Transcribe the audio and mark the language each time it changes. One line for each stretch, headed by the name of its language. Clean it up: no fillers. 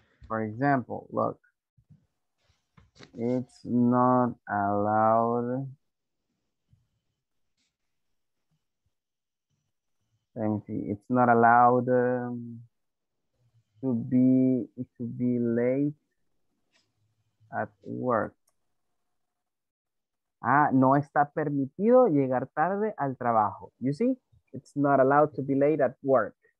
English: For example, look. It's not allowed. Let me see. It's not allowed to be late at work.
Spanish: Ah, no está permitido llegar tarde al trabajo.
English: You see? It's not allowed to be late at work.